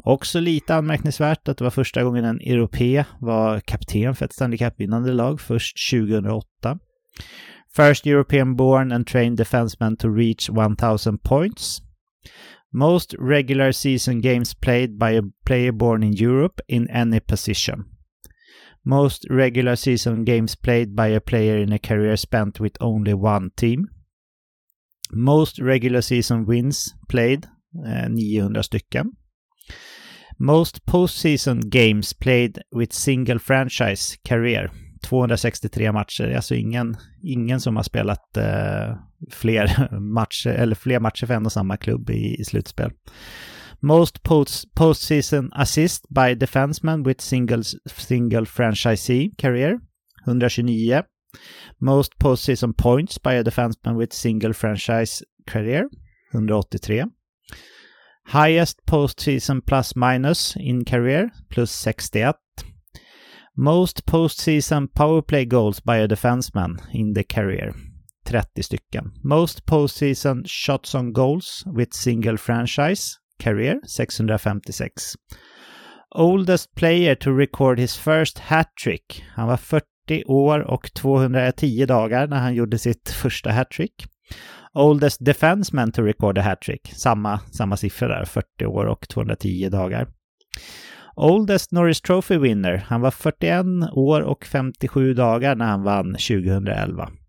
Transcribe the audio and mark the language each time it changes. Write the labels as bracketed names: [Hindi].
[Swedish] Också lite anmärkningsvärt att det var första gången en europé var kapten för ett Stanley Cup vinnande lag först 2008. [English] First European born and trained defenseman to reach 1000 points. Most regular season games played by a player born in Europe in any position. Most regular season games played by a player in a career spent with only one team. Most regular season wins played, 900 stycken. Most postseason games played with single franchise career, 263 matcher. [Swedish] Alltså ingen som har spelat fler matcher eller fler matcher för en och samma klubb i slutspel. [English] Most postseason assist by defenseman with single franchisee career, 129. Most postseason points by a defenseman with single franchise career, 183. Highest postseason plus minus in career, plus 61. Most postseason powerplay goals by a defenseman in the career, 30 stycken. Most postseason shots on goals with single franchise career, 656. Oldest player to record his first hat-trick. [Swedish] Han var 40 år och 210 dagar när han gjorde sitt första hat-trick. Oldest defenseman to record a hat-trick. Samma siffra där, 40 år och 210 dagar. Oldest Norris Trophy winner. Han var 41 år och 57 dagar när han vann 2011.